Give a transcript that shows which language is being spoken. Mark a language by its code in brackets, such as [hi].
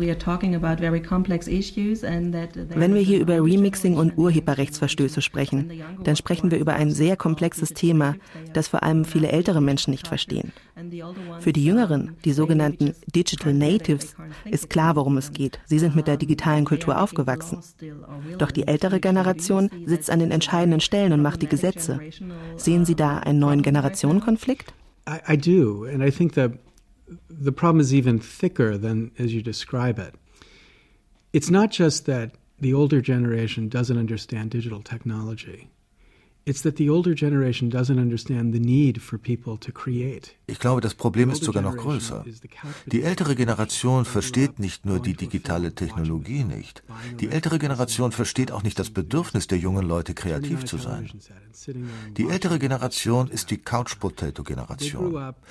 [de] Wenn wir hier über Remixing und Urheberrechtsverstöße sprechen, dann sprechen wir über ein sehr komplexes Thema, das vor allem viele ältere Menschen nicht verstehen. Für die Jüngeren, die sogenannten Digital Natives, ist klar, worum es geht. Sie sind mit der digitalen Kultur aufgewachsen. Doch die ältere Generation sitzt an den entscheidenden Stellen und macht die Gesetze. Sehen Sie da einen neuen Generationenkonflikt? [en] I do, and I think that the problem is even thicker than as you describe it. It's not just that the older generation doesn't understand digital technology. It's that the older generation doesn't understand the need for people to create. [de] Ich glaube, das Problem ist sogar noch größer. Die ältere Generation versteht nicht nur die digitale Technologie nicht. Die ältere Generation versteht auch nicht das Bedürfnis der jungen Leute, kreativ zu sein. Die ältere Generation ist die Couch-Potato-Generation.